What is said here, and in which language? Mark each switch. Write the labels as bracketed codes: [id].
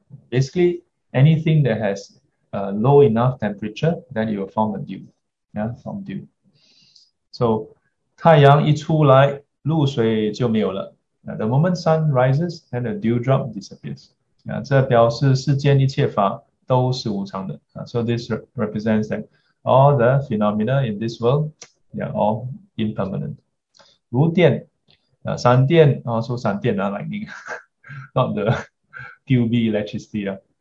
[en] Basically, anything that has low enough temperature, then you will form a dew. From dew. So, [zh] 太阳一出来，露水就没有了. [en] The moment sun rises, then the dewdrop disappears. [zh] 这表示世间一切法都是无常的. [en] So this represents that all the phenomena in this world, they are all impermanent. [zh] 如电, 闪电, [en] also [zh] 闪电, [en] lightning, not the QB electricity.